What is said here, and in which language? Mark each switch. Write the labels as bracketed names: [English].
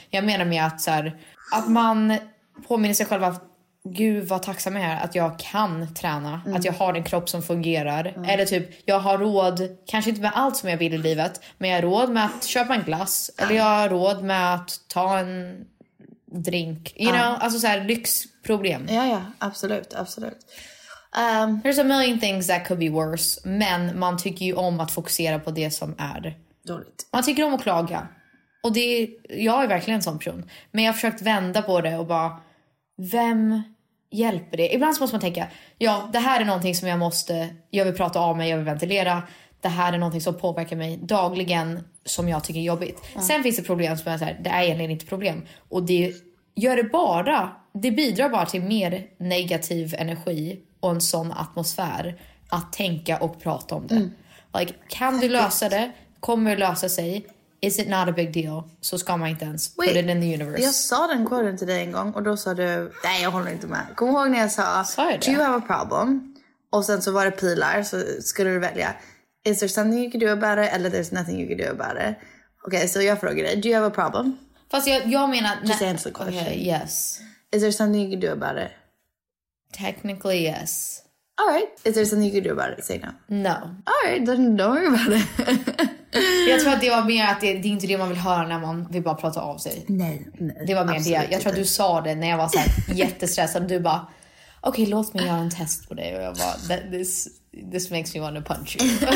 [Swedish] Jag menar med att, så här, att man påminner sig själv att gud vad tacksam jag är att jag kan träna. Mm. Att jag har en kropp som fungerar. Mm. Eller typ, jag har råd, kanske inte med allt som jag vill i livet, men jag har råd med att köpa en glass. Mm. Eller jag har råd med att ta en drink. [English] You know, [Swedish] alltså så här, lyxproblem. Ja, absolut, absolut. [English] There's a million things that could be worse. [Swedish] Men man tycker ju om att fokusera på det som är dåligt. Man tycker om att klaga. Och det är, jag är verkligen en sån person. Men jag har försökt vända på det och bara, vem hjälper det? Ibland så måste man tänka, ja, det här är någonting som jag måste, jag vill prata av mig, jag vill ventilera. Det här är någonting som påverkar mig dagligen, som jag tycker är jobbigt. Mm. Sen finns det problem som är så här, det är egentligen inte problem. Och det gör det bara, det bidrar bara till mer negativ energi och en sån atmosfär att tänka och prata om det. Mm. Like, kan du lösa det? Kommer det lösa sig? [English] Is it not a big deal? [Swedish] Så ska man inte ens [English] put it in the universe. [Swedish] Jag sa den quoten till dig en gång och då sa du, nej, jag håller inte med. Kom ihåg när jag sa jag, [English] do you have a problem? [Swedish] Och sen så var det pilar, så skulle du välja, [English] is there something you can do about it? Eller there's nothing you can do about it? [Swedish] Okej, okay, så jag frågar dig, [English] do you have a problem? [Swedish] Fast jag menar, [English] just answer the question. Okay, yes. Is there something you can do about it? Technically, yes. All right. Is there something you can do about it? Say no. No. All right, then don't worry about it. [Swedish] Jag tror att det var mer att det är inte det man vill höra när man vill bara prata av sig. Nej. Det var mer det. Jag tror att du sa det när jag var så här jättestressad. Du bara, okej, okay, låt mig göra en test på dig. Och jag bara, [English] this makes me want to punch you.